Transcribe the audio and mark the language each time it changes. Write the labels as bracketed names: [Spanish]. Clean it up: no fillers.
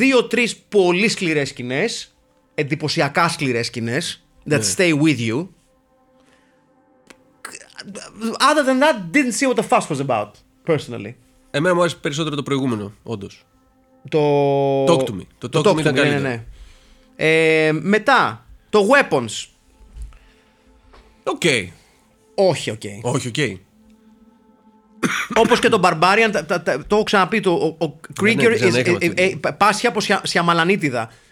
[Greek] 2-3 πολύ σκληρές σκηνές, εντυπωσιακά σκληρές σκηνές, [English] that stay with you. Other than that, didn't see what the fuss was about, personally. [Greek] Εμένα μου άρεσε περισσότερο το προηγούμενο, όντως. Το [English] Talk to Me. [Greek] Το Talk to Me ήταν καλύτερο. Ναι. Μετά, το Weapons. [English] Okay. [Greek] Όχι, οκ. Όχι, οκ. Όπως και τον Barbarian, το έχω ξαναπεί. Ο Krieger πάσχει από σιαμαλανίτιδα.